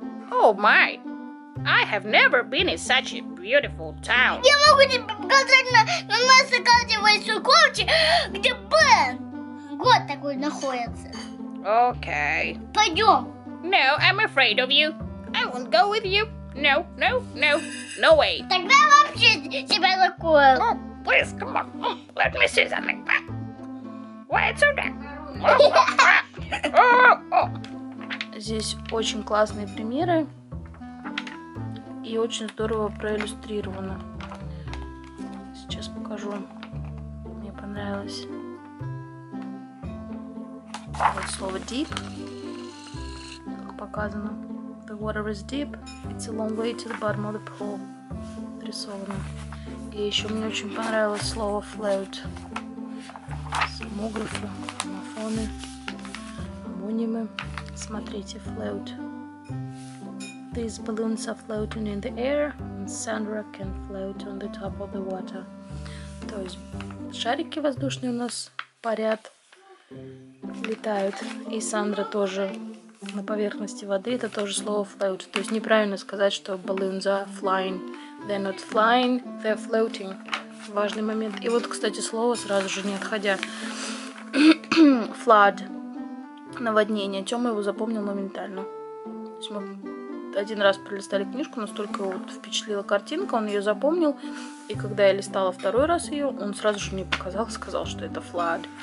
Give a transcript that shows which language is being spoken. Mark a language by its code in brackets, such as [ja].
[en] Oh my, I have never been in such a beautiful town. [ru] Я могу тебе показать на нашей карте большой колче, где Пэр. Год такой находится. [en] Okay. [ru] Пойдем. [en] No, I'm afraid of you. I will go with you. No, no, no, no way. [ru] Тогда вообще тебя закрою. [en] Oh, please, come on. Let me see something. Why it's so dark? [ru] Здесь очень классные примеры. И очень здорово проиллюстрировано. Сейчас покажу. Мне понравилось. Вот слово deep. Показано. [en] The water is deep. It's a long way to the bottom of the pool. [ru] Рисовано. И еще мне очень понравилось слово float. Самографы, мафоны, амонимы. Смотрите, float. [en] These balloons are floating in the air, and Sandra can float on the top of the water. [ru] То есть шарики воздушные у нас парят, летают, и Сандра тоже. На поверхности воды это тоже слово float. То есть неправильно сказать, что [en] balloons are flying. They're not flying, they're floating. [ru] Важный момент. И вот, кстати, слово сразу же, не отходя. Flood. Наводнение. Тёма его запомнил моментально. То есть мы один раз пролистали книжку, настолько вот впечатлила картинка, он её запомнил. И когда я листала второй раз её, он сразу же мне показал, сказал, что это flood.